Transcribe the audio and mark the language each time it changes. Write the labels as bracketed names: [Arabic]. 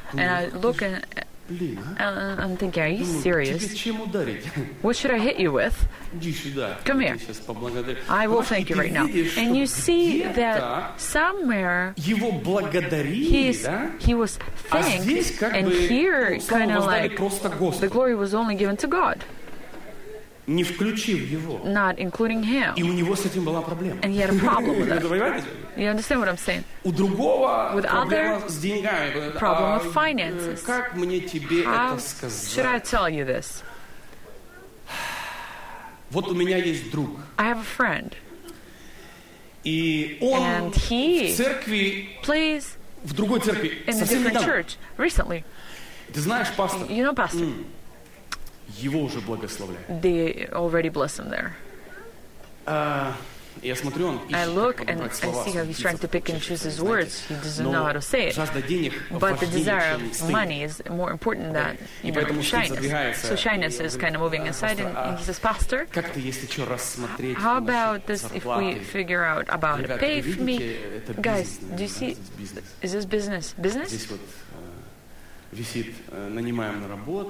[English] And I look and I'm thinking, are you serious? What should I hit you with? Come here. I will thank you right now. And you see that somewhere he was thanked, and here kind of like the glory was only given to God. [Russian] Не включив его. [English] Not including him. [Russian] И у него с этим была проблема. [English] And he had a problem with that. You understand what I'm saying? [Russian] У другого проблема с деньгами. [English] Problem of finances. [Russian] Как мне тебе это сказать? [English] How should I tell you this? [Russian] Вот у меня есть друг. [English] I have a friend. [Russian] И он в церкви, [English] plays [Russian] в другой церкви, [English] in a different church recently. [Russian] Ты знаешь пастора? [English] You know pastor. [Russian] Его уже благословляют. [English] They already bless him there. [Russian] Я смотрю, он ищет, [English] I look and I see how he's trying to pick and choose his words. He doesn't know how to say it. But the desire of money is more important than shyness. So shyness is kind of moving inside, and he says, Pastor, how about this if we figure out about a pay for me? Guys, do you see, is this business? Business? [Russian] Висит, нанимаем на работу.